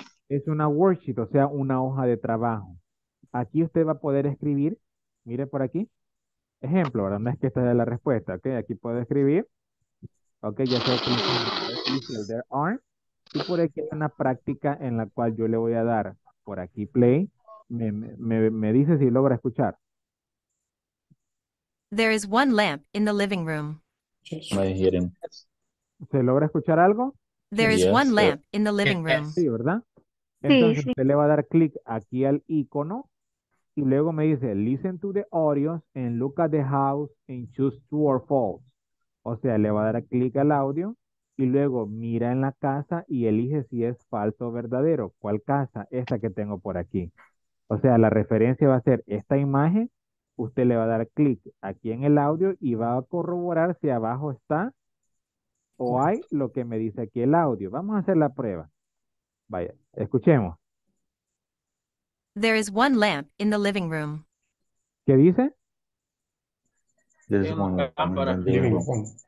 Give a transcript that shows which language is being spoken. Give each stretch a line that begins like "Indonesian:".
Spanish: Es una worksheet, o sea, una hoja de trabajo. Aquí usted va a poder escribir, mire por aquí, ejemplo, ahora no es que esta sea la respuesta, ok, aquí puede escribir, ok, ya sé que
English: there are,
Spanish: y por aquí hay una práctica en la cual yo le voy a dar por aquí play, me dice si logra escuchar.
English: There is one lamp in the living room.
Spanish: ¿Se logra escuchar algo?
English: There is yes, one lamp in the living room.
Spanish: Sí, ¿verdad? Sí, entonces sí. Usted le va a dar clic aquí al icono Y luego me dice,
English: listen to the audios and look at the house and choose true or false.
Spanish: O sea, le va a dar clic al audio y luego mira en la casa y elige si es falso o verdadero. ¿Cuál casa? Esta que tengo por aquí. O sea, la referencia va a ser esta imagen. Usted le va a dar clic aquí en el audio y va a corroborar si abajo está o hay lo que me dice aquí el audio. Vamos a hacer la prueba. Vaya, escuchemos.
English: There is one lamp in the living room.
Spanish: ¿Qué dice?
English: There is one lamp in the living room.